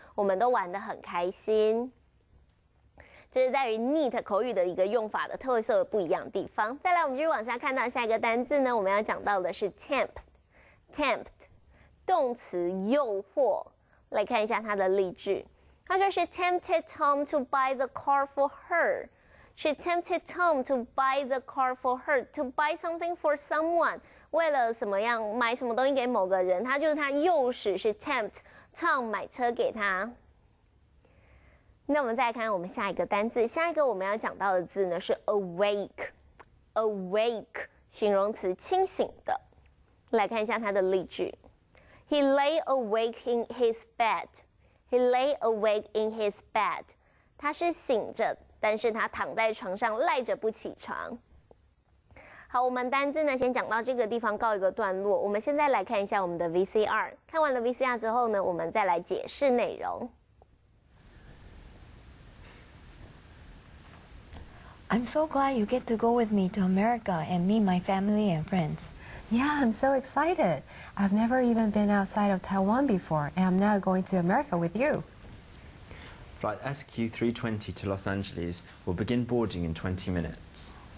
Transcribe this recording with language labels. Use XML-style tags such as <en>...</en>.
<zh>我们都玩得很开心。这是在于 neat 口语的一个用法的特色的不一样的地方。再来，我们继续往下看到下一个单字呢，我们要讲到的是 tempt。动词诱惑，来看一下它的例句。他说</zh> <en>：“She tempted Tom to buy the car for her. She tempted Tom to buy the car for her to buy something for someone.</en> <zh>为了什么样买什么东西给某个人？他就是他诱使是 tempt Tom 买车给他。那我们再来看我们下一个单字，下一个我们要讲到的字呢是 awake， 形容词，清醒的。来看一下它的例句。</zh> <en>He lay awake in his bed. He lay awake in his bed.</en> <zh>他是醒着，但是他躺在床上赖着不起床。好，我们单字呢先讲到这个地方告一个段落。我们现在来看一下我们的 VCR。看完了 VCR 之后呢，我们再来解释内容。</zh> <en>I'm so glad you get to go with me to America and meet my family and friends. Yeah, I'm so excited. I've never even been outside of Taiwan before, and I'm now going to America with you. Flight SQ320 to Los Angeles will begin boarding in 20 minutes.</en>